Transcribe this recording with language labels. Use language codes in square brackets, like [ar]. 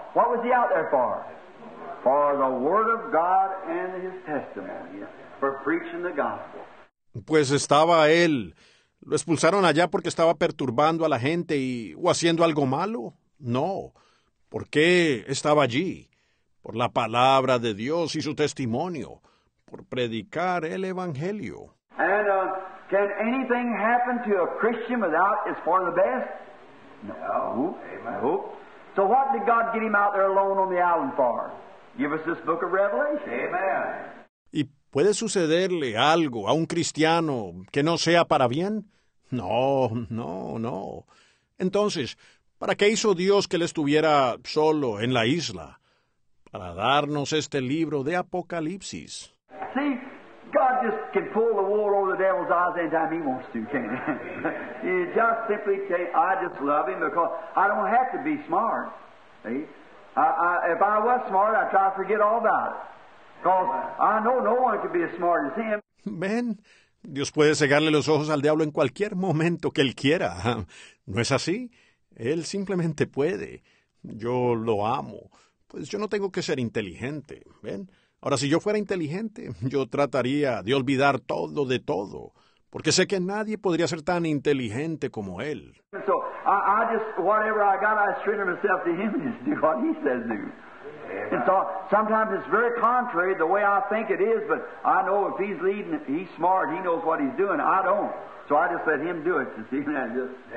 [en] What was he out there for? For the word of God and his testimony, for preaching the gospel. [es] Pues estaba él. ¿Lo expulsaron allá porque estaba perturbando a la gente y o haciendo algo malo? No. ¿Por qué estaba allí? Por la palabra de Dios y su testimonio, por predicar el evangelio. [en] And, can anything happen to a Christian without is for the best? No. Amen. No. So what did God get him out there alone on the island for? Give us this book of Revelation. Amen. [es] ¿Y puede sucederle algo a un cristiano que no sea para bien? No, no, no. Entonces, ¿para qué hizo Dios que él estuviera solo en la isla? Para darnos este libro de Apocalipsis. Sí. [en] God just can pull the wool over the devil's eyes anytime he wants to, can't he? He just simply say, I just love him because I don't have to be smart. See? If I was smart, I'd try to forget all about it. Because I know no one could be as smart as him. [es] Man, Dios puede cegarle los ojos al diablo en cualquier momento que él quiera. ¿No es así? Él simplemente puede. Yo lo amo. Pues yo no tengo que ser inteligente, ¿ven? Ahora, si yo fuera inteligente, yo trataría de olvidar todo de todo, porque sé que nadie podría ser tan inteligente como él. [en] So, I just, whatever I got, I surrender myself to him and just do what he says to do. And so, sometimes it's very contrary the way I think it is, but I know if he's leading, he's smart, he knows what he's doing, I don't. So, I just let him do it, you see, and just,